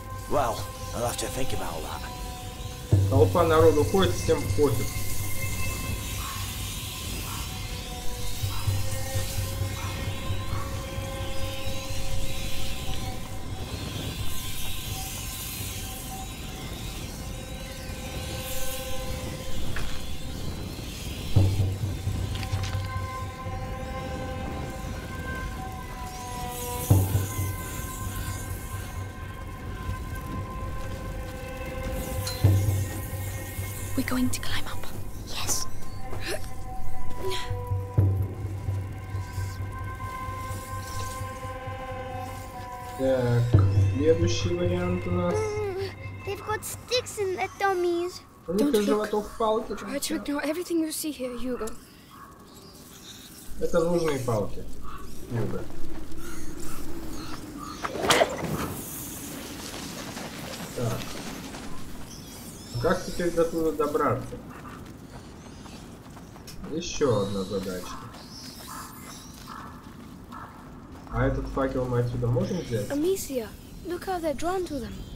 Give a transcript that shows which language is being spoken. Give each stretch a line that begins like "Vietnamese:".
English: Well, I'll have to think about that.
Russian: Толпа народу ходит, всем пофиг.
English: Going to climb up. Yes.
Russian: Так, следующий вариант у нас.
English: They've got sticks in their dummies. Don't look. Try to ignore everything you see here, Hugo.
Russian: Это нужные палки, Hugo. Так. Как теперь до туда добраться? Еще одна задачка. А этот факел мы отсюда можем взять?
English: Amicia, look how they're drawn to them.